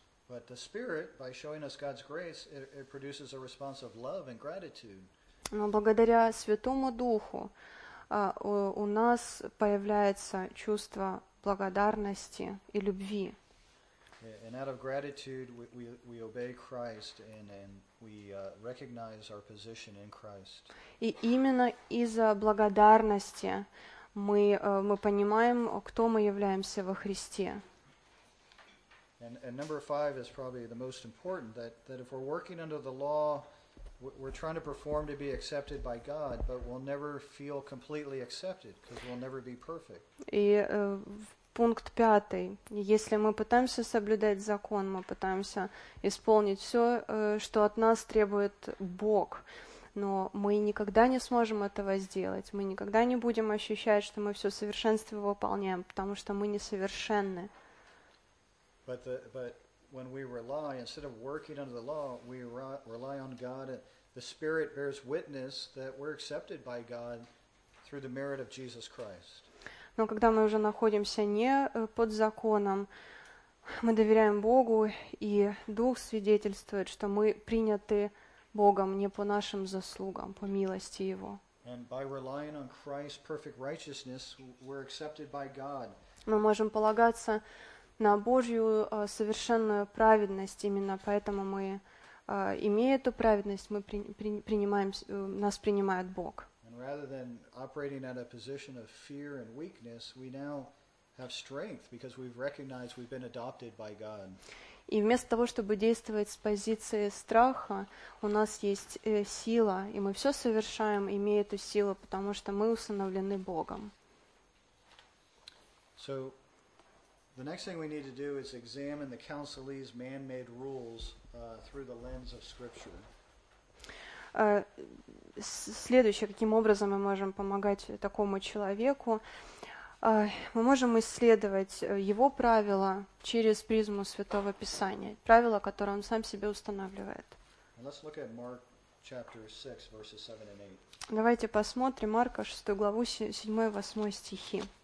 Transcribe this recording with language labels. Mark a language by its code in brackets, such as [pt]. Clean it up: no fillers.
[en] But the Spirit, by showing us God's grace, it produces a response of love and gratitude. [ru] Но благодаря Святому Духу у нас появляется чувство благодарности и любви. [en] And out of gratitude, we obey Christ and we recognize our position in Christ. [ru] И именно из-за благодарности мы понимаем, кто мы являемся во Христе. [en] And number five is probably the most important, that if we're working under the law, we're trying to perform to be accepted by God, but we'll never feel completely accepted, because we'll never be perfect. [ru] И пункт пятый. Если мы пытаемся соблюдать закон, мы пытаемся исполнить все, что от нас требует Бог, но мы никогда не сможем этого сделать, мы никогда не будем ощущать, что мы все совершенство выполняем, потому что мы несовершенны. [en] But when we rely, instead of working under the law, we rely on God. The Spirit bears witness that we're accepted by God through the merit of Jesus Christ. [ru] Но когда мы уже находимся не под законом, Мы доверяем Богу, и Дух свидетельствует, что мы приняты Богом не по нашим заслугам, по милости Его. [en] And by relying on Christ's perfect righteousness, we're accepted by God. [ru] Мы можем полагаться на Божью совершенную праведность, именно поэтому мы, имея эту праведность, мы принимаем, нас принимает Бог. [en] And rather than operating at a position of fear and weakness, we now have strength because we've recognized we've been adopted by God. [ru] И вместо того, чтобы действовать с позиции страха, у нас есть сила, и мы все совершаем, имея эту силу, потому что мы усыновлены Богом. [en] So, the next thing we need to do is examine the Council's man-made rules through the lens of Scripture. [ru] Следующее, каким образом мы можем помогать такому человеку, мы можем исследовать его правила через призму Святого Писания, правила, которые он сам себе устанавливает. [en] Let's look at Mark chapter 6, verses 7 and 8. [ru] Давайте посмотрим Марка 6 главу 7-8 стихи.